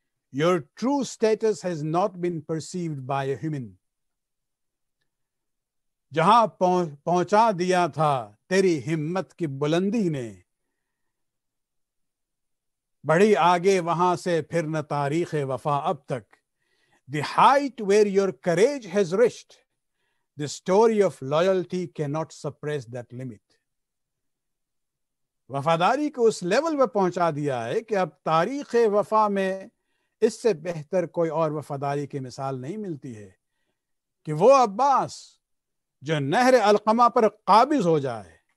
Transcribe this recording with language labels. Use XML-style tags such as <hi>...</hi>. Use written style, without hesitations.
<en>Your true status has not been perceived by a human.</en> <ur>جہاں پہنچا دیا تھا تیری ہمت کی بلندی نے, بڑی آگے وہاں سے پھر نہ تاریخ وفا اب تک.</ur> <en>The height where your courage has reached, the story of loyalty cannot suppress that limit.</en> <ur>وفاداری کو اس لیول پہ پہنچا دیا ہے کہ اب تاریخ وفا میں اس سے بہتر کوئی اور وفاداری کی مثال نہیں ملتی ہے کہ وہ عباس جو نہر القمہ پر قابض ہو جائے،</ur>